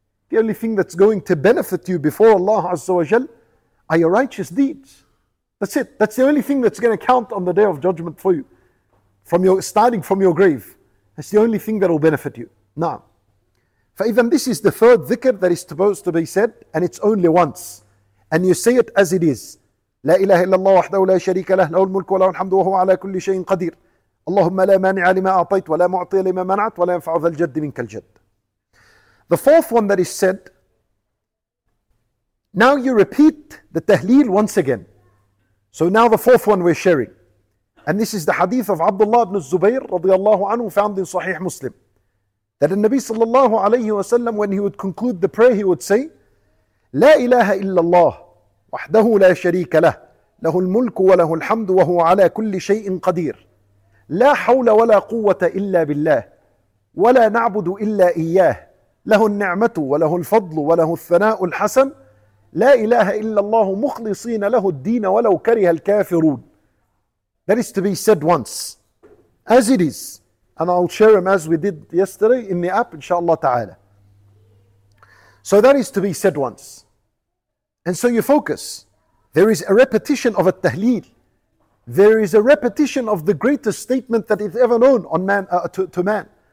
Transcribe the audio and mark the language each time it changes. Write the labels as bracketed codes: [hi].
[en] The only thing that's going to benefit you before Allah Azza wa Jal are your righteous deeds. That's it. That's the only thing that's going to count on the day of judgment for you. Starting from your grave. That's the only thing that will benefit you. Na'am. فإذا this is the third dhikr that is supposed to be said and it's only once. And you say it as it is. [ar] لا إله إلا الله وحده لا شريك له، له الملك وله الحمد وهو على كل شيء قدير. اللهم لا مانع لما أعطيت ولا معطي لما منعت ولا ينفع ذا الجد منك الجد. [en] The fourth one that is said, now you repeat the tahleel once again. So now the fourth one we're sharing. And this is the hadith of Abdullah ibn Zubayr رضي الله عنه found in Sahih Muslim. That the Nabi [ar] صلى الله عليه وسلم, [en] when he would conclude the prayer, he would say, [ar] لا إله إلا الله وحده لا شريك له له الملك وله الحمد وهو على كل شيء قدير لا حول ولا قوة إلا بالله ولا نعبد إلا إياه له النعمة وله الفضل وله الثناء الحسن لا إله إلا الله مخلصين له الدين ولو كره الكافرون. [en] That is to be said once as it is, and I'll share them as we did yesterday in the app inshallah ta'ala. So that is to be said once. And so you focus. There is a repetition of a tahleel. There is a repetition of the greatest statement that is ever known on man to man.